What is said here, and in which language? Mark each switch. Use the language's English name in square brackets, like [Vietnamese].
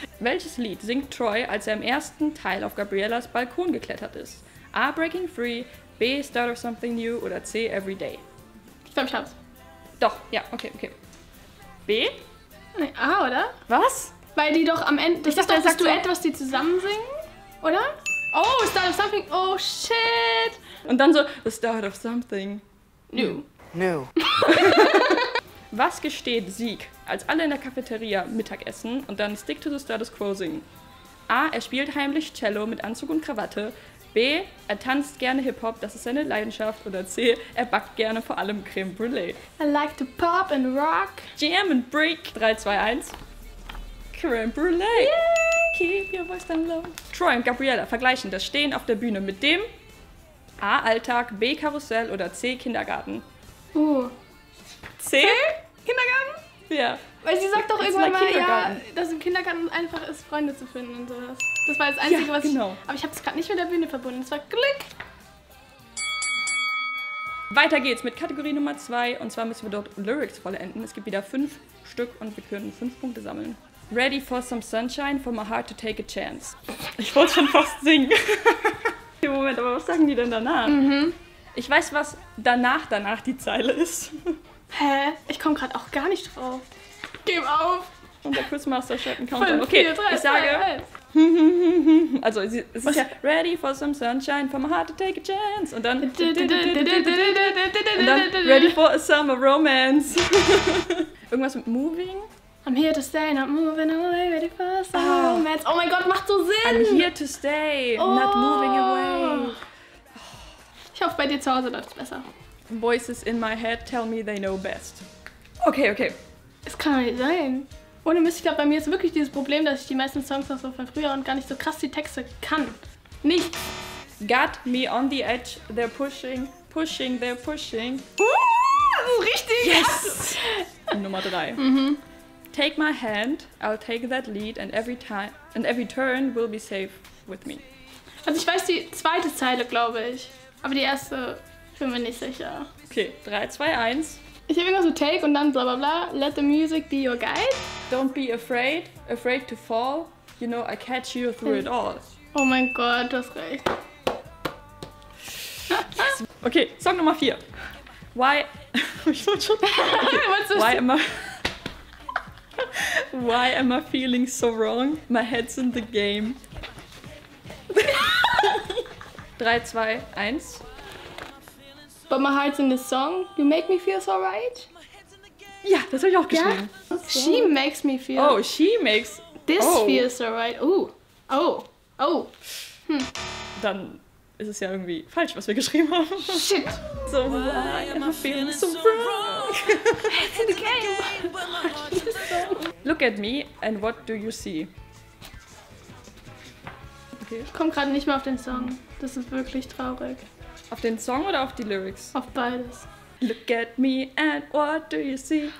[German] Welches Lied singt Troy, als er im ersten Teil auf Gabriellas Balkon geklettert ist? A. Breaking Free, B. Start of Something New oder C. Every Day? Ich glaube, ich hab's. Doch, ja, okay. B? Nee, A, oder? Was? Weil die doch am Ende, ich dachte, das ist doch das Duett, was die zusammen singen, oder? Oh, Start of Something, oh shit! Und dann so, The Start of Something. New. New. Was gesteht Sieg, als alle in der Cafeteria Mittag essen und dann Stick to the Status Quo singen? A, er spielt heimlich Cello mit Anzug und Krawatte. B, er tanzt gerne Hip-Hop, das ist seine Leidenschaft. Oder C, er backt gerne vor allem Creme Brûlée. [English] I like to pop and rock. Jam and break. 3, 2, 1. Creme Brûlée. Yay. Keep your voice down low. [German] Troy und Gabriella vergleichen das Stehen auf der Bühne mit dem A, Alltag, B, Karussell oder C, Kindergarten. C? Kindergarten? Ja. Yeah. Weil sie sagt doch It's irgendwann mal, ja, dass im Kindergarten einfach ist, Freunde zu finden und sowas. Das war das Einzige, ja, was genau. Aber ich habe es gerade nicht mit der Bühne verbunden. Es war Glück. Weiter geht's mit Kategorie Nummer 2. Und zwar müssen wir dort Lyrics vollenden. Es gibt wieder 5 Stück und wir können 5 Punkte sammeln. [English] Ready for some sunshine, for my heart to take a chance. [German] Ich wollte schon fast singen. Okay, Moment, aber was sagen die denn danach? Mhm. Ich weiß, was danach die Zeile ist. Hä? Ich komme gerade auch gar nicht drauf. Gib auf. Und der Quizmaster schreibt einen Countdown. Okay, 4, 3, ich sage... 3, 3. Also, es ist was? Ja [English] ready for some sunshine, for my heart to take a chance. [German] Und dann, und dann [English] ready for a summer romance. [German] Irgendwas mit moving? [English] I'm here to stay, not moving away, ready for a summer romance. [German] Oh mein Gott, macht so Sinn! [English] I'm here to stay, not moving away. [German] Ich hoffe, bei dir zu Hause läuft es besser. [English] Voices in my head tell me they know best. [German] Okay. Es kann nicht sein. Ohne Mist, ich glaube, bei mir ist wirklich dieses Problem, dass ich die meisten Songs noch so von früher und gar nicht so krass die Texte kann. Nicht. [English] Got me on the edge, they're pushing, pushing, they're pushing. [German] Richtig! Yes! Nummer 3. Mhm. [English] Take my hand, I'll take that lead and every time and every turn will be safe with me. [German] Also ich weiß die zweite Zeile, glaube ich. Aber die erste bin mir nicht sicher. Okay, 3, 2, 1. Ich habe immer so Take und dann bla bla bla. [English] Let the music be your guide. Don't be afraid, afraid to fall. You know, I catch you through it all. [German] Oh mein Gott, das reicht. Yes. Okay, Song Nummer 4. Why... Ich wollte schon... Okay. [English] Why am I... Why am I feeling so wrong? My head's in the game. 3, 2, 1. But my heart's in the song. You make me feel so right. [German] Ja, das habe ich auch geschrieben. [English] Yeah. She makes me feel. Oh, she makes. This feels so right. Oh. Hm. [German] Dann ist es ja irgendwie falsch, was wir geschrieben haben. Shit. [English] So why am I feeling so wrong? It's in the game. Look at me and what do you see? Okay. [German] Ich komme gerade nicht mehr auf den Song. Das ist wirklich traurig. Auf den Song oder auf die Lyrics? Auf beides. [English] Look at me and what do you see?